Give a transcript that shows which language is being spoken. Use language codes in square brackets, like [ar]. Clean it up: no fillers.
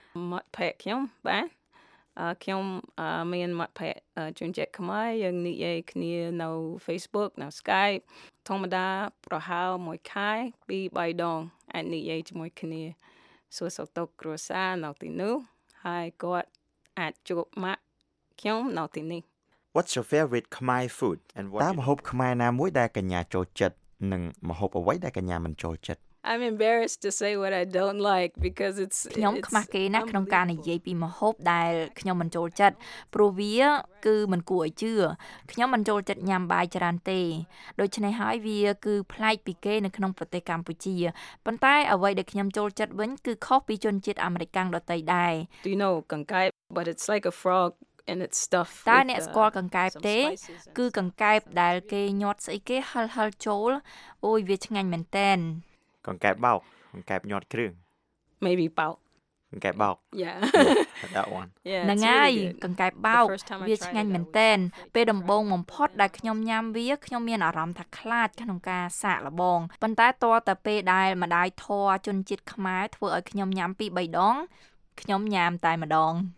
[km] មាត់ភ័ក្រខ្ញុំបាទខ្ញុំមានមាត់ភ័ក្រជួនជាក់ខ្មែរយើងនិយាយគ្នានៅ Facebook នៅ Skype ធម្មតាប្រហែលមួយខែ2-3ដងអាចនិយាយជាមួយគ្នាសួរសុខទុក្ខគ្រួសារនៅទីនោះហើយគាត់អាចជួបមកខ្ញុំនៅទីនេះ [en] What's your favorite Khmer food and what [km] តាមហូបខ្មែរណាមួយដែលកញ្ញាចូលចិត្តនឹងមហូបអ្វីដែលកញ្ញាមិនចូលចិត្ត [en] I'm embarrassed to say what I don't like because it's [km] ខ្ញុំខ្មាស់គេណាស់ក្នុងការនិយាយពីមហូបដែលខ្ញុំមិនចូលចិត្តព្រោះវាគឺមិនគួរឲ្យជឿខ្ញុំមិនចូលចិត្តញ៉ាំបាយច្រើនទេដូច្នេះហើយវាគឺប្លែកពីគេនៅក្នុងប្រទេសកម្ពុជាប៉ុន្តែអ្វីដែលខ្ញុំចូលចិត្តវិញគឺខុសពីជនជាតិអាមេរិកដទៃដែរ [en] Do you know កង្កែប but it's like a frog and it's stuff [km] តើអ្នកស្គាល់កង្កែបទេគឺកង្កែបដែលគេញាត់ស្អីគេហលហលចូលអូយវាឆ្ងាញ់មែនតើ កង្កែបបោកកង្កែបញាត់គ្រឿង [en] maybe បោក [km] កង្កែបបោក [en] yeah that one [km] ណងាយកង្កែបបោកវាឆ្ងាញ់មែនតើពេលដំបូងបំផុតដែលខ្ញុំញ៉ាំវាខ្ញុំមានអារម្មណ៍ថាខ្លាចក្នុងការសាកល្បងប៉ុន្តែតរតពេលដែលម្ដាយធေါ်ជនជាតិខ្មែរធ្វើឲ្យខ្ញុំញ៉ាំ2-3ដងខ្ញុំញ៉ាំតែម្ដង